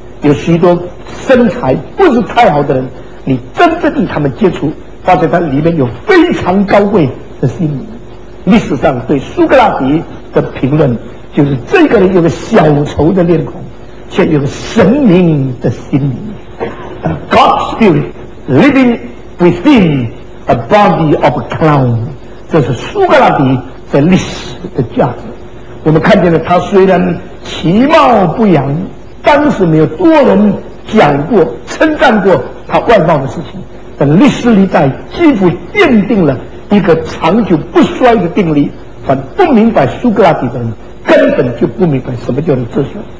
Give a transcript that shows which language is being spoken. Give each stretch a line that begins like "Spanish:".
Chinese: 有许多身材不是太好的人，你真正与他们接触，发现他里面有非常高贵的心理。历史上对苏格拉底的评论就是，这个人有个小丑的面孔，却有神明的心理。
English: A God spirit living within a body of a clown，
Chinese: 这是苏格拉底在历史的价值。我们看见了他虽然其貌不扬，当时没有多人讲过称赞过他外貌的事情，但历史历代几乎奠定了一个长久不衰的定理。凡不明白苏格拉底的人根本就不明白什么叫做哲学。